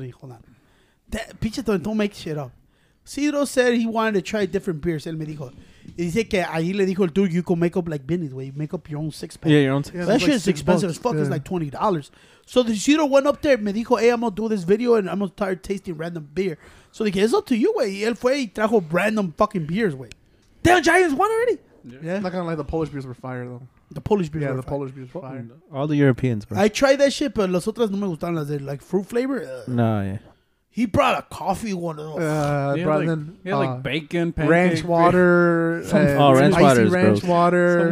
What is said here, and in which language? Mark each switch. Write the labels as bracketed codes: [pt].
[en] Hold on. Pinche Tony, don't make shit up. Ciro said he wanted to try different beers. [es] Él me dijo. [en] He said [es] que ahí le dijo el [en] dude, you can make up like Benny's way. You make up your own 6 pack. Yeah, your own 6 pack. That shit is expensive as fuck. Yeah. It's like $20. So the Ciro went up there and [es] me dijo, [en] hey, I'm going to do this video and I'm going to start tasting random beer. So they said, it's up to you, way. [es] Él fue y trajo [en] random fucking beers, [es] way. [en] Damn, Giants won already. Yeah. Not gonna lie, the Polish beers were fire though. The Polish beers. Yeah, were the fire. Polish beers were fire. All the Europeans, bro. I tried that shit, but [es] las otras no me gustaron las de [en] like fruit flavor. No. He brought a coffee one of those. He had bacon, pancake, ranch water. Ranch water.